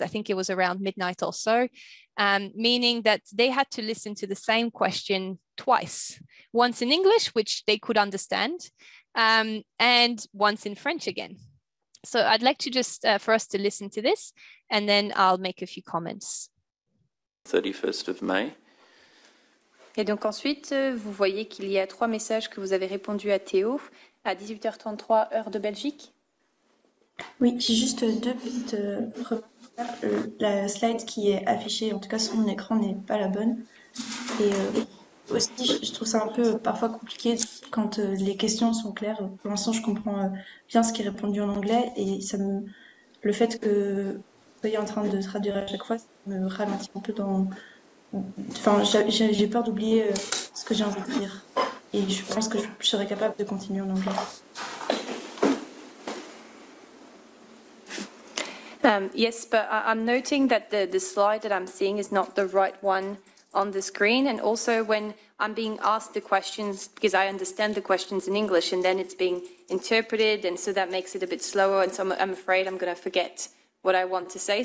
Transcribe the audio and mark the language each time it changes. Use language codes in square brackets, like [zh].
[en] I think it was around midnight or so, meaning that they had to listen to the same question twice, once in English, which they could understand, and once in French again. So I'd like to just for us to listen to this, and then I'll make a few comments. 31st of May. [fr] Et donc ensuite, vous voyez qu'il y a trois messages que vous avez répondu à Théo à 18h33 heure de Belgique. Oui, j'ai juste deux petites remarques. La slide qui est affichée, en tout cas sur mon écran, n'est pas la bonne. Et aussi, je trouve ça un peu parfois compliqué quand les questions sont claires. Pour l'instant, je comprends bien ce qui est répondu en anglais et le fait que vous soyez en train de traduire à chaque fois, ça me ralentit un peu dans... Enfin, j'ai peur d'oublier ce que j'ai envie de dire et je pense que je serai capable de continuer en anglais. [en] Yes, but I'm noting that the slide that I'm seeing is not the right one on the screen. And also when I'm being asked the questions, because I understand the questions in English and then it's being interpreted. And so that makes it a bit slower. And so I'm afraid I'm going to forget what I want to say.